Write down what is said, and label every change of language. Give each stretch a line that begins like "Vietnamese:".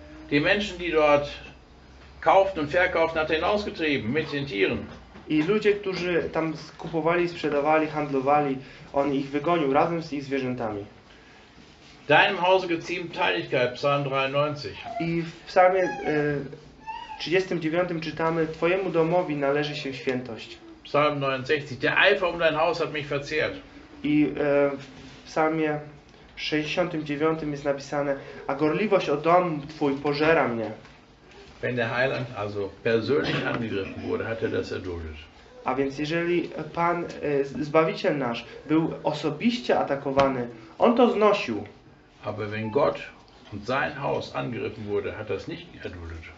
German: Die Menschen, die dort kauften und verkauften, hat er hinausgetrieben mit den Tieren.
Polish: I ludzie, którzy tam kupowali, sprzedawali, handlowali, on ich wygonił razem z ich zwierzętami.
German: Deinem Hause geziemt Teiligkeit, Psalm 93.
Polish: I w Psalmie 39 czytamy, Twojemu domowi należy się świętość.
German: Psalm 69, der Eifer um dein Haus hat mich verzehrt.
Polish: I w Psalmie 69 jest napisane, a gorliwość o dom Twój pożera mnie.
German: Wenn der Heiland also persönlich angegriffen wurde, hat er das erduldet.
Polish: A więc jeżeli Pan, Zbawiciel nasz, był osobiście atakowany, on to znosił.
German: Aber wenn Gott und sein Haus angegriffen wurde, hat er es nicht erduldet.